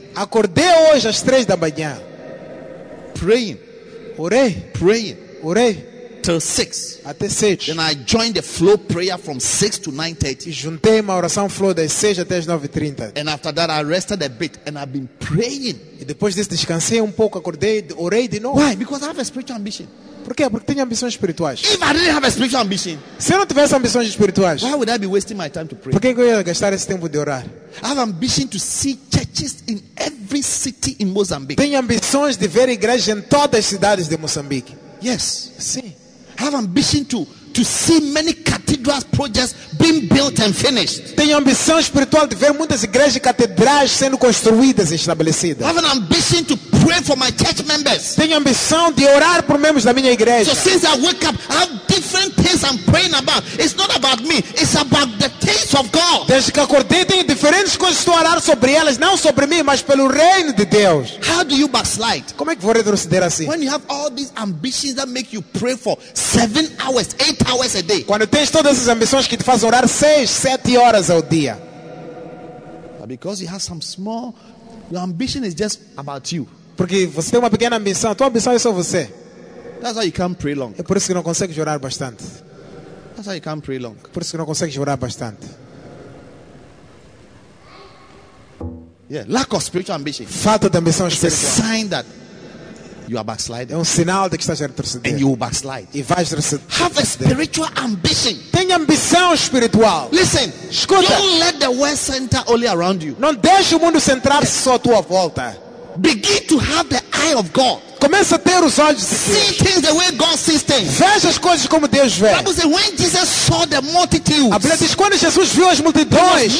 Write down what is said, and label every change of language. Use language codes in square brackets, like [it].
[pt] Acordei hoje às 3 da manhã. [en] Praying. [pt] Orei. [en] Praying. [pt] Orei. [en] Till 6. [pt] Até 6. [en] Then I joined the flow prayer from 6 to 9:30. [pt] Juntei uma oração flow das 6 até as 9:30. [en] And after that I rested a bit and I've been praying. [pt] E depois disso descansei pouco, acordei, orei de novo. [en] Why? Because I have a spiritual ambition. [pt] Por quê? Porque tenho ambições espirituais. [en] If I didn't have a spiritual ambition, [pt] se eu não tivesse ambições espirituais, [en] why would I be wasting my time to pray? [pt] Por que eu ia gastar esse tempo de orar? [en] I have ambition to see churches in every city in Mozambique. [pt] Tenho ambições de ver igrejas em todas as cidades de Moçambique. [en] Yes. [pt] Sim. [en] I have ambition to see many cathedrals. cathedrals, projects being built and finished. [pt] Tem ambição espiritual de ver muitas igrejas e catedrais sendo construídas e estabelecidas. [en] Have an ambition to pray for my church members. [pt] Tem ambição de orar por membros da minha igreja. [en] So since I wake up, I have different things I'm praying about. It's not about me. It's about the things of God. [pt] Desde que acordei, tenho diferentes coisas estou a orar sobre elas, não sobre mim, mas pelo reino de Deus. [en] How do you backslide? [pt] Como é que vou retroceder assim? [en] When you have all these ambitions that make you pray for 7 hours, 8 hours a day. [pt] Quando tens todas as ambições que te fazem orar 6-7 horas ao dia. [en] But because you have some small, your ambition is just about you. [pt] Porque você tem uma pequena ambição, a tua ambição é só você. [en] That's why you can't pray long. [pt] É por isso que não consegues orar bastante. [en] That's why you can't pray long. [pt] Por isso que não consegues orar bastante. [en] Yeah, lack of spiritual ambition. [pt] Falta de ambição espiritual. [en] It's a sign that you are backsliding. [pt] É sinal de que estás a retroceder. [en] And you will backslide. [pt] E vais retroceder. [en] Have a spiritual ambition. [pt] Tenha ambição espiritual. [en] Listen, [pt] escuta. [en] Don't let the world center only around you. [pt] Não deixe o mundo centrar só à tua volta. [en] Begin to have the eye of God. [pt] Comece a ter os olhos de [en] Deus. See things the way God sees things. [pt] Veja as coisas como Deus vê. [en] When Jesus saw the multitudes, [pt] a Bíblia diz, quando Jesus viu as multidões,